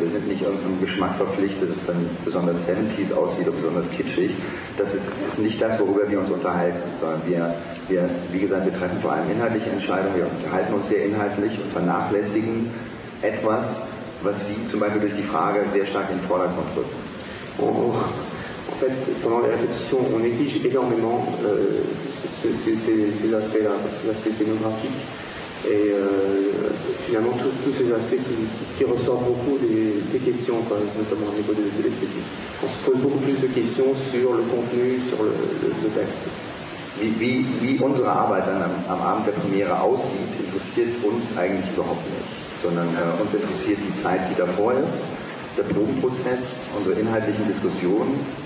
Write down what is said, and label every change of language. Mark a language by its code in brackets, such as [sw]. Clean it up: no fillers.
[de] Wir sind nicht irgendeinem Geschmack verpflichtet, dass es dann besonders 70s aussieht oder besonders kitschig. Das ist nicht das, worüber wir uns unterhalten, sondern wir treffen vor allem inhaltliche Entscheidungen, wir unterhalten uns sehr inhaltlich und vernachlässigen etwas, was Sie zum Beispiel durch die Frage sehr stark in den Vordergrund rücken. Oh. [fr] En fait, pendant les répétitions, on néglige énormément ces aspects-là, ces aspects scénographiques. Et finalement, tous ces aspects qui ressortent beaucoup des questions, quoi, notamment au niveau de l'esthétique. On se pose beaucoup plus de questions sur le contenu, sur le texte. [de] Wie unsere Arbeit dann am Abend der Premiere aussieht, interessiert uns eigentlich überhaupt nicht. Sondern uns interessiert die Zeit, die davor ist, der Probenprozess, unsere inhaltlichen Diskussionen.